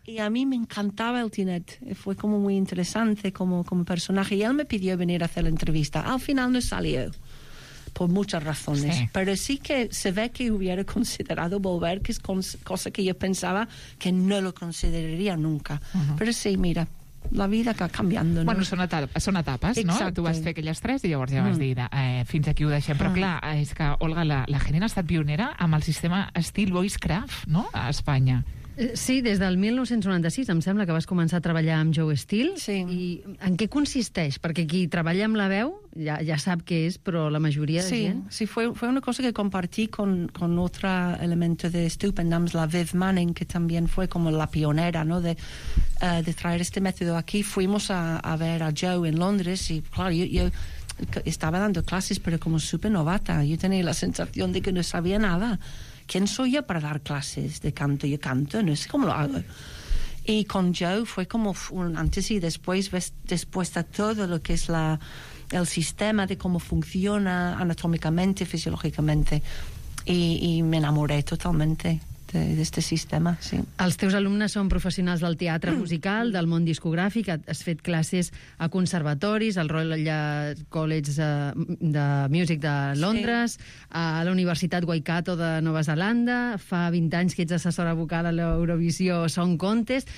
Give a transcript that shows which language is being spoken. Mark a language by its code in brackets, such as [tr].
[es] Y a mí me encantaba el Tinet. Fue como muy interesante como personaje. Y él me pidió venir a hacer la entrevista. Al final no salió, por muchas razones. Sí. Pero sí que se ve que hubiera considerado volver, que es cosa que yo pensaba que no lo consideraría nunca. Uh-huh. Pero sí, mira, la vida que va cambiando, [ca] ¿no? Bueno, són etapes, no? Exacte. Tu vas fer aquelles 3 i llavors ja vas dir, fins aquí ho deixem. Però clar, és que, Olga, la Genera ha estat pionera amb el sistema Steel Voice Craft, no?, a Espanya. Sí, des del 1996, em sembla, que vas començar a treballar amb Joe Steel. Sí. I en què consisteix? Perquè qui treballa amb la veu ja sap què és, però la majoria sí, de gent... [es] Sí, fue una cosa que compartí con otro elemento de Stupendams, la Viv Manning, que también fue como la pionera, ¿no?, de traer este método aquí. Fuimos a ver a Joe en Londres y, claro, yo estaba dando clases, pero como súper novata. Yo tenía la sensación de que no sabía nada. ¿Quién soy yo para dar clases de canto? Yo canto, no sé cómo lo hago. Y con Joe fue como un antes y después, después de todo lo que es el sistema, de cómo funciona anatómicamente, fisiológicamente. Y me enamoré totalmente [ca] d'aquest sistema, [es] sí. [ca] Els teus alumnes són professionals del teatre musical, del món discogràfic, has fet classes a conservatoris, al Royal College de Music de Londres, sí. A la Universitat Waikato de Nova Zelanda, fa 20 anys que ets assessora vocal a l'Eurovisió Song Contest.